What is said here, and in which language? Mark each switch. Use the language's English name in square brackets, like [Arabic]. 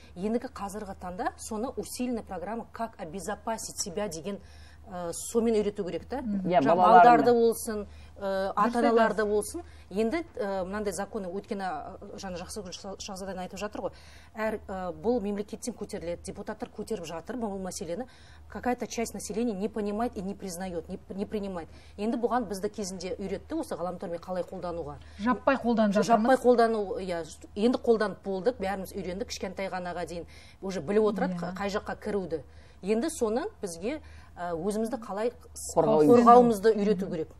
[Kazakh] Ендігі қазіргі таңда соны [Russian] усиленная программа как обезопасить себя [Kazakh] деген сомен үйрету керек та. Балдарды болсын, ата-аналарды болсын. Енді мынандай законы өткені жаңа Жақсыгүл Шахзадан айтып жатыр ғой. Әр бұл мемлекеттен көтеріледі, депутаттар көтеріп жатыр бұл мәселені. [Russian] Какая-то часть населения не понимает и не признает, не принимает. [Kazakh] Енді бұған бізді кезінде үйретті осы ғаламтормен қалай қолдануға. Жаппай қолданып жатырмыз. Жаппай қолдану, иә, енді қолданып болдық, бәріміз үйрендік кішкентай ғанаға дейін. Уже біліп отырады қай жаққа кіруді. Енді соны бізге өзімізді қалай қорғауымызды үйрету керек.